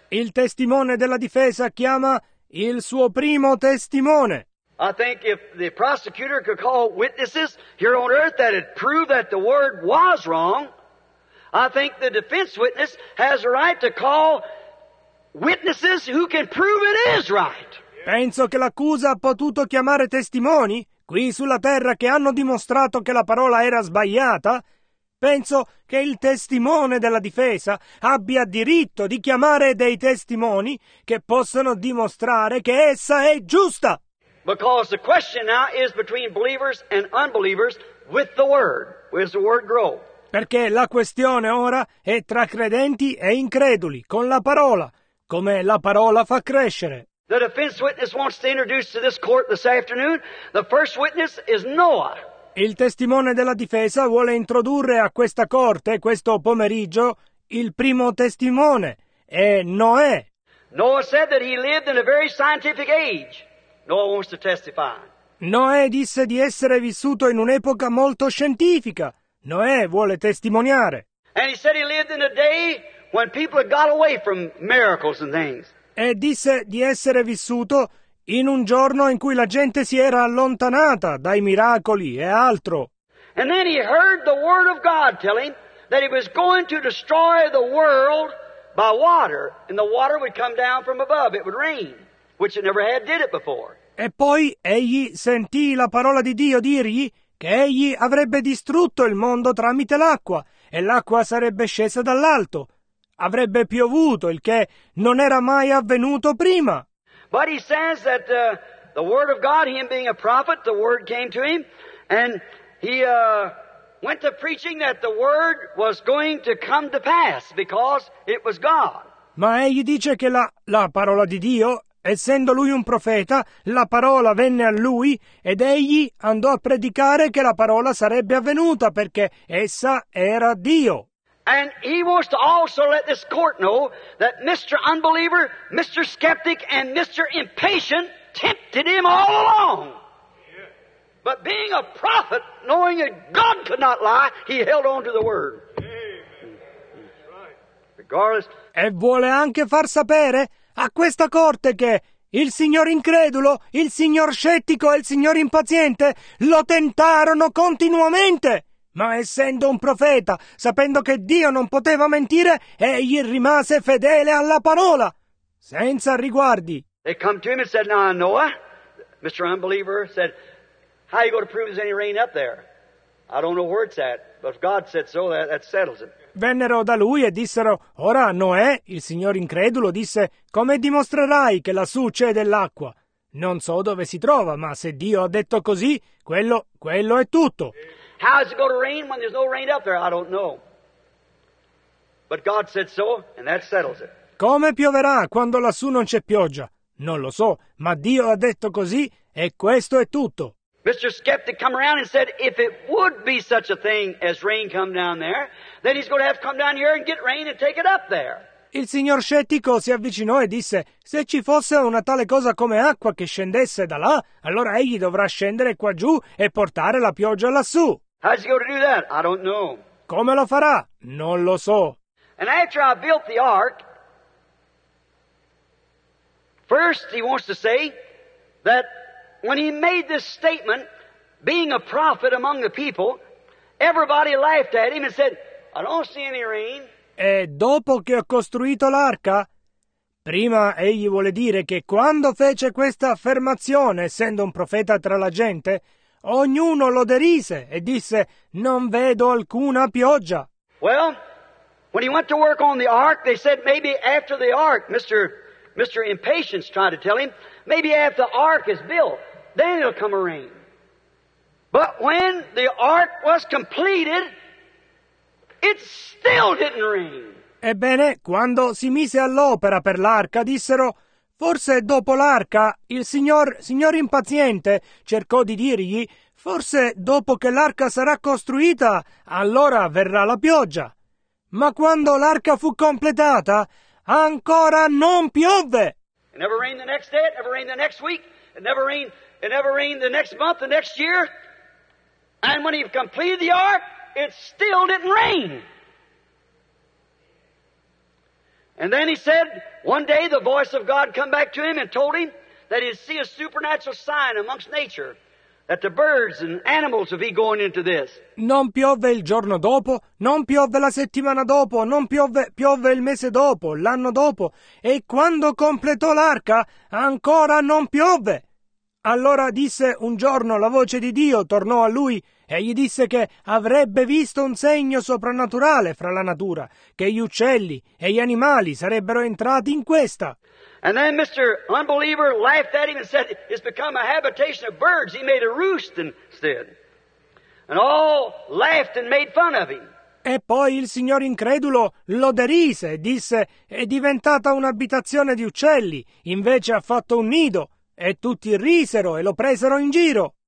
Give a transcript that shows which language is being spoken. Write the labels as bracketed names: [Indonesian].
[Italian] Il testimone della difesa chiama il suo primo testimone. [English] I think if the prosecutor could call witnesses here on earth that had proved that the word was wrong, I think the defense witness has a right to call witnesses who can prove it is right. [Italian] Penso che l'accusa ha potuto chiamare testimoni qui sulla terra che hanno dimostrato che la parola era sbagliata. Penso che il testimone della difesa abbia diritto di chiamare dei testimoni che possono dimostrare che essa è giusta. [English] Because the question now is between believers and unbelievers with the word. Where's the word grow? [Italian] Perché la questione ora è tra credenti e increduli, con la parola, come la parola fa crescere. [English] The defense witness wants to introduce to this court this afternoon, the first witness is Noah. [Italian] Il testimone della difesa vuole introdurre a questa corte, questo pomeriggio, il primo testimone, è Noè. [English] Noah said that he lived in a very scientific age. Noah wants to testify. [Italian] Noè disse di essere vissuto in un'epoca molto scientifica. Noè vuole testimoniare. [English] And he said he lived in a day when people had got away from miracles and things. [Italian] E disse di essere vissuto in un giorno in cui la gente si era allontanata dai miracoli e altro. [English] And then he heard the word of God tell him, that he was going to destroy the world by water, and the water would come down from above. It would rain, which it never had did it before. [Italian] E poi egli sentì la parola di Dio dirgli che egli avrebbe distrutto il mondo tramite l'acqua, e l'acqua sarebbe scesa dall'alto. Avrebbe piovuto, il che non era mai avvenuto prima. [English] But he says that the word of God, him being a prophet, the word came to him, and he went to preaching that the word was going to come to pass because it was God. [Italian] Ma egli dice che la parola di Dio, essendo lui un profeta, la parola venne a lui ed egli andò a predicare che la parola sarebbe avvenuta perché essa era Dio. [English] And he wants to also let this court know that Mr. Unbeliever, Mr. Skeptic, and Mr. Impatient tempted him all along. But being a prophet, knowing that God could not lie, he held on to the word. Regardless. [Italian] E vuole anche far sapere a questa corte che il signor incredulo, il signor scettico e il signor impaziente lo tentarono continuamente. Ma essendo un profeta, sapendo che Dio non poteva mentire, egli rimase fedele alla parola, senza riguardi. [English] They come to him and said, "Now, Noah, Mr. Unbeliever said, how are you going to prove there's any rain up there? I don't know where it's at, but if God said so, that settles it." [Italian] Vennero da lui e dissero, "Ora, Noè, il signor incredulo disse, come dimostrerai che lassù c'è dell'acqua? Non so dove si trova, ma se Dio ha detto così, quello è tutto." [English] How is it going to rain when there's no rain up there? I don't know. But God said so, and that settles it. [Italian] Come pioverà quando lassù non c'è pioggia? Non lo so, ma Dio ha detto così, e questo è tutto. [English] Mr. Skeptic come around and said, if it would be such a thing as rain come down there, then he's going to have to come down here and get rain and take it up there. [Italian] Il signor scettico si avvicinò e disse, se ci fosse una tale cosa come acqua che scendesse da là, allora egli dovrà scendere qua giù e portare la pioggia lassù. [English] How's he going to do that? I don't know. [Italian] Come lo farà? Non lo so. [English] And after I built the ark, first he wants to say that when he made this statement, being a prophet among the people, everybody laughed at him and said, I don't see any rain. [Italian] E dopo che ho costruito l'arca, prima egli vuole dire che quando fece questa affermazione, essendo un profeta tra la gente, ognuno lo derise e disse, non vedo alcuna pioggia. [English] Well, when he went to work on the ark, they said maybe after the ark, Mr. Impatience tried to tell him, maybe after the ark is built, then it'll come a rain. But when the ark was completed, it still didn't rain. [Italian] Ebbene, quando si mise all'opera per l'arca, dissero, forse dopo l'arca, il signor impaziente cercò di dirgli, forse dopo che l'arca sarà costruita, allora verrà la pioggia. Ma quando l'arca fu completata, ancora non piovve. [English] It never rained the next day, it never rained the next week, it never rained the next month, the next year. And when he completed the ark, it still didn't rain. And then he said, one day the voice of God come back to him and told him that he'd see a supernatural sign amongst nature, that the birds and animals would be going into this. [Italian] Non piove il giorno dopo, non piove la settimana dopo, non piove il mese dopo, l'anno dopo. E quando completò l'arca, ancora non piove. Allora disse un giorno la voce di Dio tornò a lui e gli disse che avrebbe visto un segno soprannaturale fra la natura, che gli uccelli e gli animali sarebbero entrati in questa. [English] And then Mr. Unbeliever laughed at him and said, it's become a habitation of birds. He made a roost instead. And all laughed and made fun of him. [Italian] E poi il signor incredulo lo derise e disse, è diventata un'abitazione di uccelli, invece ha fatto un nido. E tutti risero e lo presero in giro.